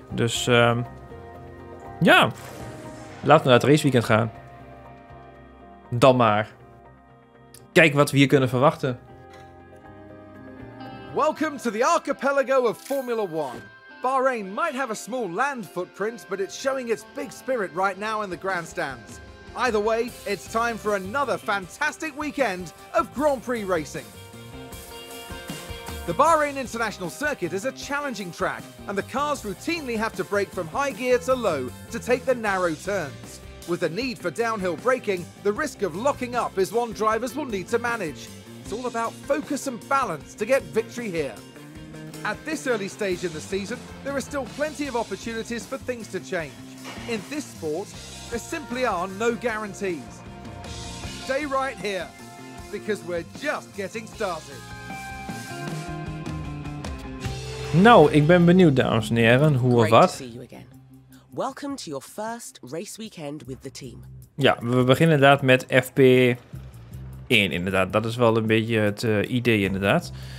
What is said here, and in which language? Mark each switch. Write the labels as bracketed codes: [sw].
[nl] Dus ja, laten we naar het raceweekend gaan. Dan maar. Kijk wat we hier kunnen verwachten. [en] Welcome to the archipelago of Formula One. Bahrain might have a small land footprint, but it's showing its big spirit right now in the grandstands. Either way, it's time for another fantastic weekend of Grand Prix racing. The Bahrain International Circuit is a challenging track, and the cars routinely have to brake from high gear to low to take the narrow turns. With the need for downhill braking, the risk of locking up is one drivers will need to manage. It's all about focus and balance to get victory here. At this early stage in the season, there are still plenty of opportunities for things to change. In this sport, there simply are no guarantees. Stay right here, because we're just getting started. [nl] Nou, ik ben benieuwd, dames en heren, hoe of wat. [en] Great to see you again. Welcome to your first race weekend with the team. [nl] Ja, we beginnen inderdaad met FP1, inderdaad. Dat is wel een beetje het idee, inderdaad.